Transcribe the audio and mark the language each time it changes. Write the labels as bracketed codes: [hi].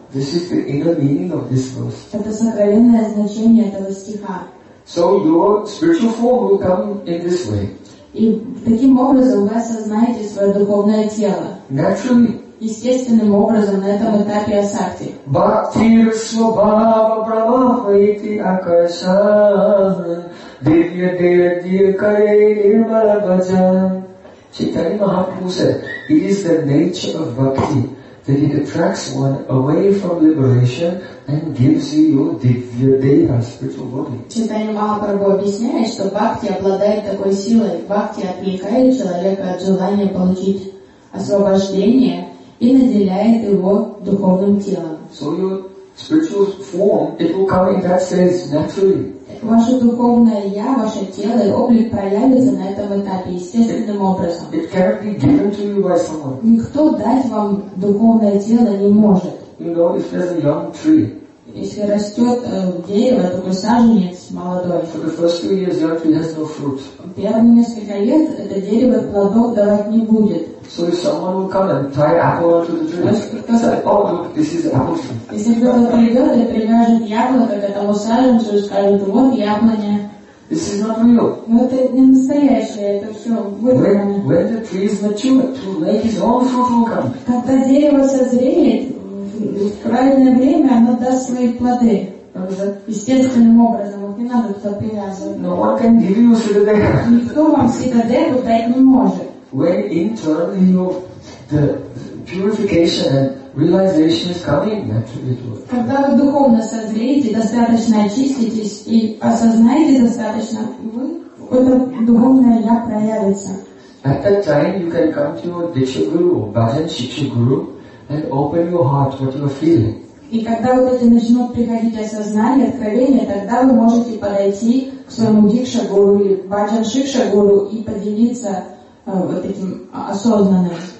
[en] This is the inner meaning of this verse. [ru] Это сокровенное значение этого стиха. [en] So your spiritual form will come in this way. [ru] И таким образом вы осознаете свое духовное тело. [en] Naturally. [ru] Естественным образом на этом этапе асакти. [sa] Бхактир-свабхава брамахвайти акашан Дивья-дея-дия-кайли-мара-бхаджан [en] Чайтани Махапрабху said, it is the nature of bhakti that it attracts one away from liberation and gives you your divya deha, spiritual body. [ru] Чайтанья Махапрабху объясняет, что бхакти обладает такой силой. Бхакти отвлекает человека от желания получить освобождение и наделяет его духовным телом. [en] So your spiritual form, it will come in that sense naturally. [ru] Ваше духовное я, ваше тело и облик проявится на этом этапе естественным образом. [en] It can't be given to you by someone. [ru] Никто дать вам духовное тело не может. [en] You know, if there's a young tree, [ru] если растет дерево, такой саженец молодой, [en] for the first few years, young tree has no fruit. [ru] Первые несколько лет это дерево плодов давать не будет. [en] So if someone will come and tie apple onto the tree, say, oh, look, this is apple tree. [ru] Если кто-то придет и привяжет яблоко к этому саженцу и скажет, вот яблоня. [en] This is not real. [ru] Но это не настоящее, это все выдумано. [en] When the tree is mature, to make its own fruit will come. [ru] Когда дерево созреет, в правильное время оно даст свои плоды. Естественным образом. Вот не надо туда привязывать. [en] No one can give you siddhadeha. [ru] Никто вам siddhadeha дать не может. [en] When internally the purification and realization is coming naturally to us. [ru] Когда вы духовно созреете, достаточно очиститесь и осознаете достаточно, это духовное я проявится. [en] At that time you can come to your Diksha Guru, Bhajan Shiksha Guru, and open your heart, what you are feeling. [ru] И когда вот эти начнут приходить осознание, откровение, тогда вы можете подойти к своему Дикша Гуру или Баджан Шикша Гуру и поделиться вот этим осознанным.